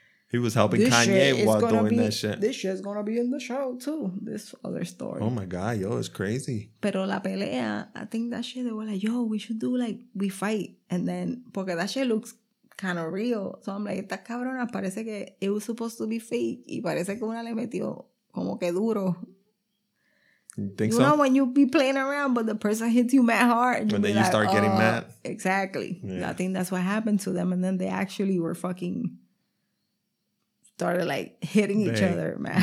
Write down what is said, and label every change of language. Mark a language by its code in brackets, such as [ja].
[en] He was helping this Kanye while doing that shit. This shit's going to be in the show, too. This other story. Oh, my God. Yo, it's crazy. [es] Pero la pelea, [en] I think that shit, they were like, yo, we should do, like, we fight. And then, porque that shit looks kind of real. So I'm like, [es] esta cabrona parece que [en] it was supposed to be fake. [es] Y parece que una le metió como que duro. [en] You think so? You know when you be playing around, but the person hits you mad hard. And then you like, start getting mad. Exactly. Yeah. I think that's what happened to them. And then they actually were fucking... started like hitting each other, man.